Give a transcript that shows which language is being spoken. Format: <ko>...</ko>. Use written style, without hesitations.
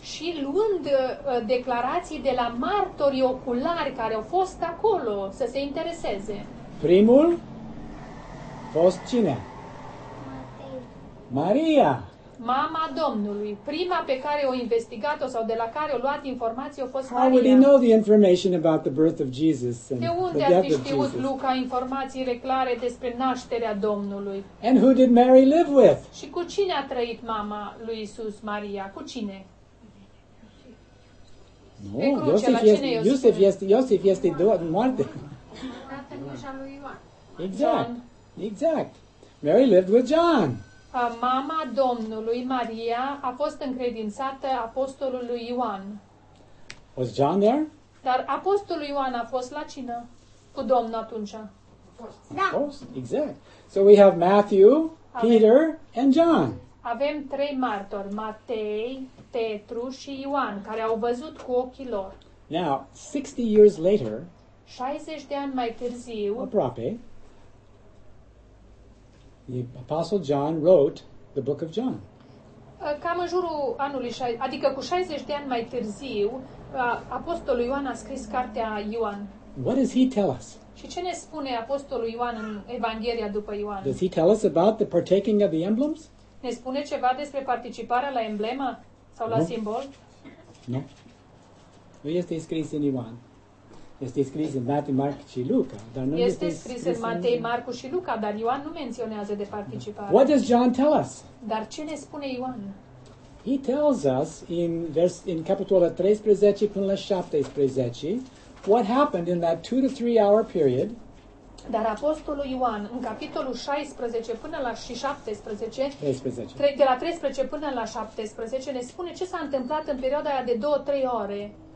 <ro>Și luând declarații de la martori oculari care au fost acolo să se intereseze. Primul fost cine? Maria. Mama Domnului, prima pe care o investigat-o sau de la care o luat informații, a fost</ro> <en>Maria. How would he know the information about the birth of Jesus and the death of Jesus?</en> <ro>De unde a știut Luca informațiile clare despre nașterea Domnului?</ro> <en>And who did Mary live with?</en> <ro>Și cu cine a trăit mama lui Isus, Maria? Cu cine? No, pe cruce, Iosif, la cine Iosif, Iosif este doar în moarte. Tatăl lui Ioan.</ro> <en>Exact, John. Exact. Mary lived with John.</en> <ro>Mama Domnului Maria a fost încredințată apostolului Ioan.</ro> <en>Was John there?</en> <ro>Dar apostolul Ioan a fost la cină cu Domnul atunci. Da.</ro> <en>Exact. So we have Matthew, Peter and John.</en> <ro>Avem trei martori, Matei, Petru și Ioan, care au văzut cu ochii lor.</ro> <en>Now, 60 years later.</en> <ro>60 de ani mai târziu. Aproape.</ro> <en>The Apostle John wrote the book of John.</en> <ro>Cam în jurul anului, adică cu 60 de ani mai târziu, Apostolul Ioan a scris cartea Ioan.</ro> <en>What does he tell us?</en> <ro>Și ce ne spune Apostolul Ioan în Evanghelia după Ioan?</ro> <en>Does he tell us about the partaking of the emblems?</en> <ro>Ne spune ceva despre participarea la emblema sau la simbol? Nu. Nu este scris în Ioan. Este scris în Matei, Marcu și Luca, dar nu este scris în Matei, Marcu și Luca, dar Ioan nu menționează de participare.</ro> <en>What does John tell us?</en> <ro>Dar ce ne spune Ioan?</ro> <en>He tells us in</en> <ro>capitolul 13 până la 17</ro> <en>what happened in that 2 to 3 hour period.</en> <ro>Dar apostolul Ioan în capitolul 16 până la și 17. 13. De la 13 până la 17 ne spune ce s-a întâmplat în perioada aia de 2-3 ore.</ro>